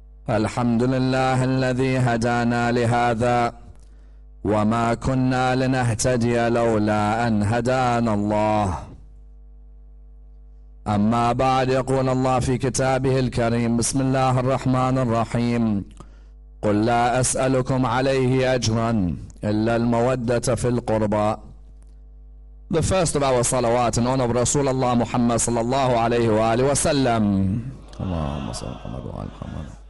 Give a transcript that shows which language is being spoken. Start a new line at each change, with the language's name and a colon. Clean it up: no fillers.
Arabic: الحمد لله الذي هدانا لهذا وما كنا لنهتدي لولا أن هدانا الله. أما بعد، يقول الله في كتابه الكريم، بسم الله الرحمن الرحيم: قل لا أسألكم عليه أجرا إلا المودة في القربى.
English: The first of our salawat in honor of Rasulullah Muhammad
Arabic: صلى الله عليه وآله وسلم. اللهم صل على محمد وآل محمد.